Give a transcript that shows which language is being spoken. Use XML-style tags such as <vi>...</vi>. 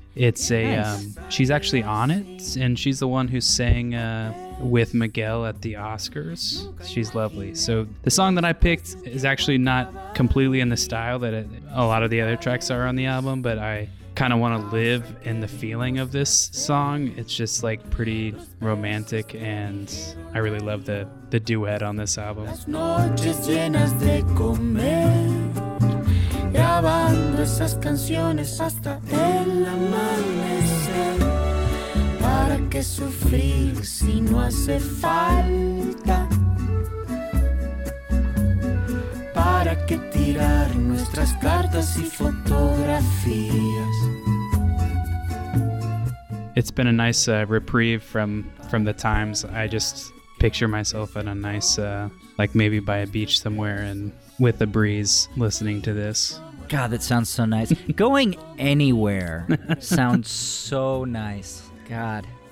<en>It's a, nice. She's actually on it, and she's the one who sang with Miguel at the Oscars. She's lovely. So the song that I picked is actually not completely in the style that a lot of the other tracks are on the album, but I kind of want to live in the feeling of this song. It's just like pretty romantic, and I really love the duet on this album.</en> <es>Las noches llenas de comer, grabando esas canciones hasta el amanecer, para que sufrir si no hace falta, para que tirar nuestras cartas y fotografías.</es> <en>It's been a nice reprieve from the times. I just picture myself at a nice, like maybe by a beach somewhere and with a breeze listening to this. God, that sounds so nice. Going anywhere sounds so nice. God.</en>